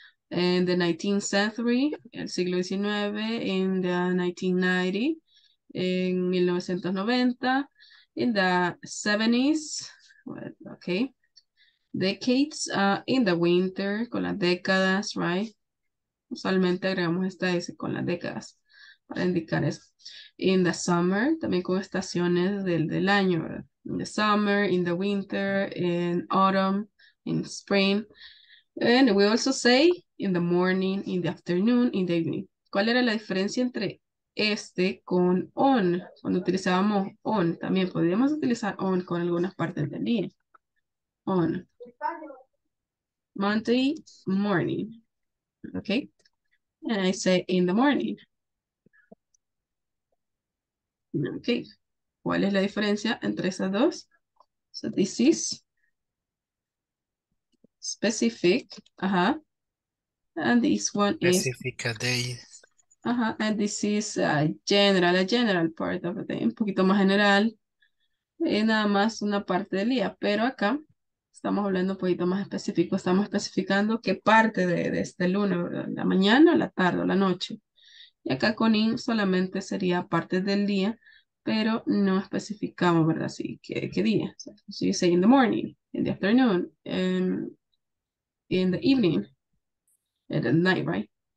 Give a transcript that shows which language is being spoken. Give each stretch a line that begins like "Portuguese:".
English: In the 19th century,
Spanish: el siglo XIX,
English: in the 1990,
Spanish: en 1990,
English: in the 70s, well, okay. Decades, in the winter,
Spanish: con las décadas,
English: right?
Spanish: Usualmente agregamos esta S con las décadas para indicar eso.
English: In the summer,
Spanish: también con estaciones del año, ¿verdad?
English: In the summer, in the winter, in autumn, in spring. And we also say in the morning, in the afternoon, in the evening.
Spanish: ¿Cuál era la diferencia entre este con on? Cuando utilizábamos on, también podríamos utilizar on con algunas partes del día.
English: On. Monday morning. Okay. And I say in the morning. Okay.
Spanish: ¿Cuál es la diferencia entre esas dos?
English: So this is specific. Uh-huh. And this one specific specific day. Uh-huh. And this is general, a general part of the day.
Spanish: Un poquito más general.
English: Y nada más una parte del día.
Spanish: Pero acá estamos hablando un poquito más específico. Estamos especificando qué parte de este lunes, ¿verdad? La mañana, la tarde o la noche. Y acá con in solamente sería parte del día, pero no especificamos, ¿verdad? Sí, qué día.
English: So you say in the morning, in the afternoon, in the evening, at night, right?